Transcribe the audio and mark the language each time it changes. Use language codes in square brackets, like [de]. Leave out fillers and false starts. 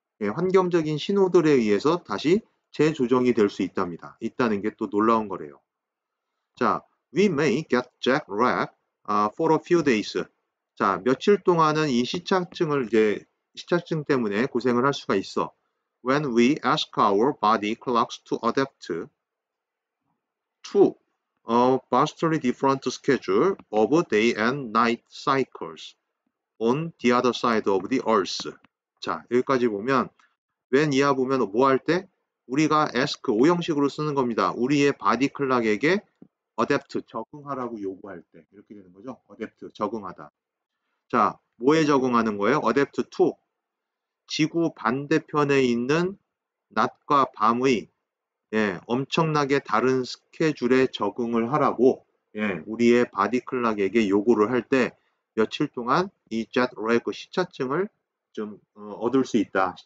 [ko] 예, 환경적인 신호들에 의해서 다시 재조정이 될수 있답니다. 있다는 게또 놀라운 거래요. [en] 자, we may get jet lag for a few days. [ko] 자, 며칠 동안은 이 시차증 때문에 고생을 할 수가 있어. [en] When we ask our body clocks to adapt to a vastly different schedule of day and night cycles on the other side of the earth. [ko] 자, 여기까지 보면, when 이하 보면 뭐할 때? 우리가 ask, 오형식으로 쓰는 겁니다. 우리의 바디 클락에게 adapt, 적응하라고 요구할 때. 이렇게 되는 거죠. adapt, 적응하다. 자, 뭐에 적응하는 거예요? adapt to. 지구 반대편에 있는 낮과 밤의 예, 엄청나게 다른 스케줄에 적응을 하라고, 예, 우리의 바디 클락에게 요구를 할 때, 며칠 동안 이 jet lag 시차증을 좀, 얻을 수 있다.